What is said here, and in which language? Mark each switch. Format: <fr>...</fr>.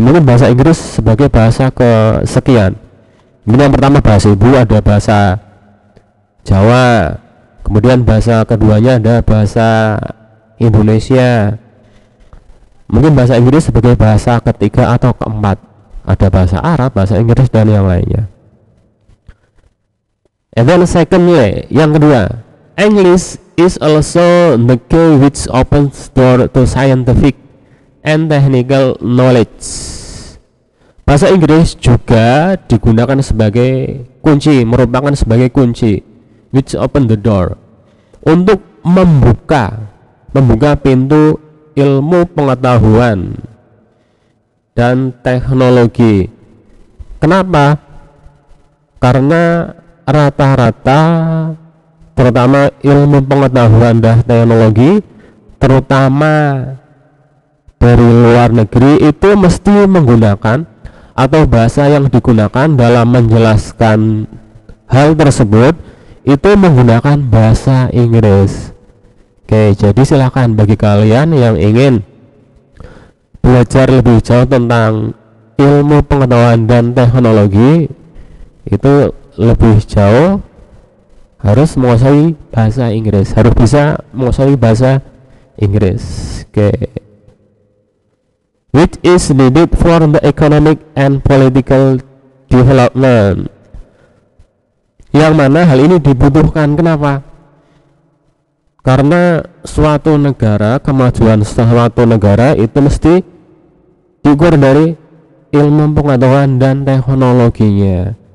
<id>Mungkin bahasa Inggris sebagai bahasa kesekian. Ini yang pertama bahasa ibu ada bahasa Jawa, kemudian bahasa keduanya ada bahasa Indonesia. Mungkin bahasa Inggris sebagai bahasa ketiga atau keempat. Ada bahasa Arab, bahasa Inggris dan yang lainnya.</id> <en>And then secondly,</en> <id>yang kedua,</id> <en>English is also the key which opens door to scientific and technical knowledge.</en> <id>Bahasa Inggris juga digunakan sebagai kunci, merupakan sebagai kunci</id> <en>which open the door</en> <id>untuk membuka, membuka pintu ilmu pengetahuan dan teknologi. Kenapa? Karena rata-rata terutama ilmu pengetahuan dan teknologi terutama dari luar negeri itu mesti menggunakan atau bahasa yang digunakan dalam menjelaskan hal tersebut itu menggunakan bahasa Inggris. Oke, jadi silakan bagi kalian yang ingin belajar lebih jauh tentang ilmu pengetahuan dan teknologi itu lebih jauh harus menguasai bahasa Inggris, harus bisa menguasai bahasa Inggris. Oke. Okay.</id> <en>Which is needed for the economic and political development.</en> <id>Yang mana hal ini dibutuhkan, kenapa? Karena suatu negara, kemajuan suatu negara itu mesti diukur dari ilmu pengetahuan dan teknologinya.</id>